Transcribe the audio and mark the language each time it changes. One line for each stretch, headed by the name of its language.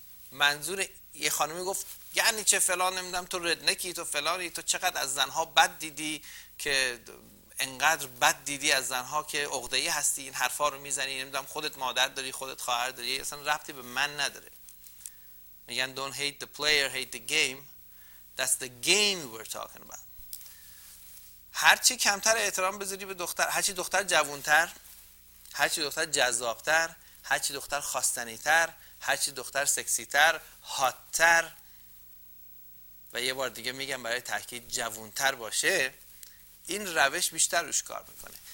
Persian: منظور یه خانمی گفت یعنی چه فلان، نمیدونم تو ردنکی، تو فلانی، تو چقدر از زنها بد دیدی که انقدر بد دیدی از زنها که عقده‌ای هستی، این حرفا رو میزنی، نمیدونم خودت مادر داری، خودت خواهر داری، اصلا ربطی به من نداره. میگن
English: don't hate the player, hate the game. That's the game we're talking about.
Persian: هرچی کمتر احترام بذاری به دختر، هرچی دختر جوانتر، هرچی دختر جذابتر، هرچی دختر خواستنیتر، هرچی دختر سکسیتر، هاتتر، و یه بار دیگه میگم برای تاکید جوانتر باشه، این روش بیشتر روش کار میکنه.